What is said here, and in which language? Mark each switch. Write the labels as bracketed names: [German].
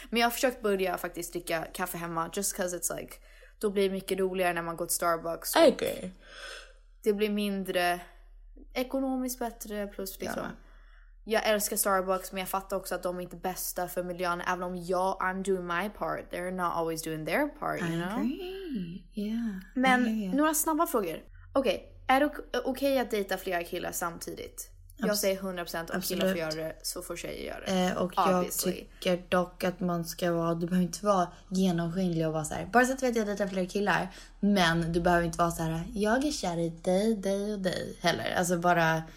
[Swedish] Men jag har försökt börja faktiskt dricka kaffe hemma. [English] Just because it's like, [Swedish] då blir det mycket roligare när man går till Starbucks. Okej. Okay. Det blir mindre ekonomiskt bättre plus liksom. Ja. Jag älskar Starbucks, men jag fattar också att de är inte bästa för miljön. Även om jag, [English] I'm doing my part. They're not always doing their part, you know? Yeah. [Swedish] Men några snabba frågor. Okej, är det okej att dejta flera killar samtidigt? Jag säger 100% om killar får göra det, så får tjejer göra det. Och jag tycker dock att man ska vara, du behöver inte vara genomskinlig och vara så här. Bara så att du vet att jag dejtar flera killar. Men du behöver inte vara så här, jag är kär i dig och dig heller. Alltså bara...